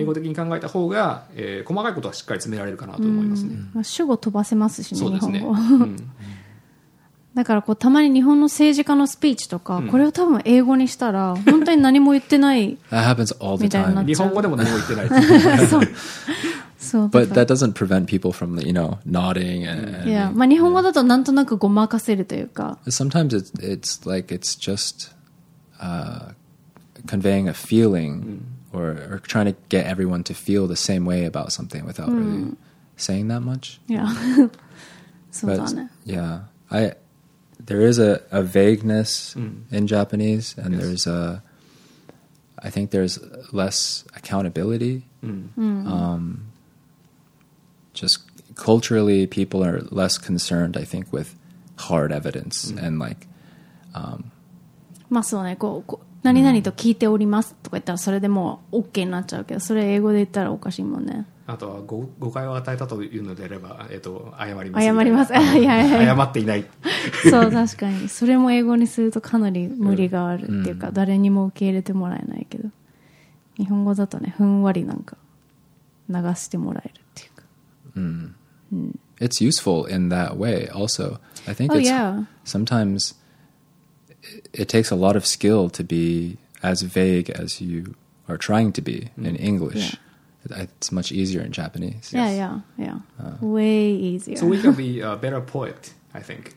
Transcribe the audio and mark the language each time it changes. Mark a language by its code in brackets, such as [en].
[ja] 英語的に考えた方が、細かいことはしっかり詰められるかなと思いますね。まあ、主語飛ばせますし ね、そうですね、日本語だからこうたまに日本の政治家のスピーチとか、これを多分英語にしたら本当に何も言ってないみたいになっちゃう。日本語でも何も言ってないそう、そう、 [en] But that doesn't prevent people from, you know, nodding and, [ja] まあ、日本語だとなんとなくごまかせるというか、 [en] Sometimes it's like it's just conveying a feeling or trying to get everyone to feel the same way about something without really saying that much. Yeah. But, yeah. There is a vagueness in Japanese, and there's a, I think there's less accountability. Just culturally, people are less concerned, I think, with hard evidence and like, [ja] まあそうね、こう何々と聞いておりますとか言ったらそれでもう OK になっちゃうけど、それ英語で言ったらおかしいもんね。あとは誤解を与えたというのであれば、謝ります、謝ります、謝っていないそう、確かにそれも英語にするとかなり無理があるっていうか、誰にも受け入れてもらえないけど、日本語だとね、ふんわりなんか流してもらえるっていうか、 [en] It's useful in that way also. I think it's sometimes it takes a lot of skill to be as vague as you are trying to be in English, it's much easier in Japanese. Yes. Yeah. Way easier. So we can be a better poet, I think.